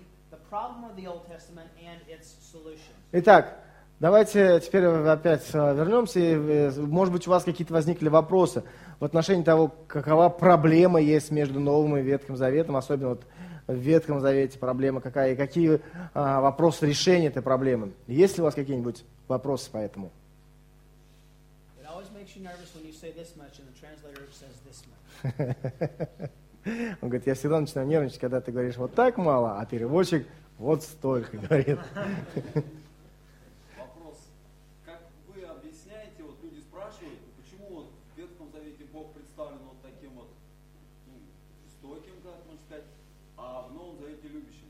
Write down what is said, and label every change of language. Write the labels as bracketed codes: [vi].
[en] The problem of the Old Testament and its solution. [ru] Итак, давайте теперь опять вернемся. Может быть, у вас какие-то возникли вопросы в отношении того, какова проблема есть между Новым и Ветхим Заветом, особенно вот в Ветхом Завете проблема какая, и какие вопросы решения этой проблемы. Есть ли у вас какие-нибудь вопросы по этому? [en] It always makes you nervous when you say this much, and the translator says this much. [ru] Он говорит, я всегда начинаю нервничать, когда ты говоришь вот так мало, а переводчик вот столько говорит. Вопрос. Как вы объясняете, вот люди спрашивают, почему вот в Ветхом Завете Бог представлен вот таким вот жестоким, как можно сказать, а в Новом Завете любящим?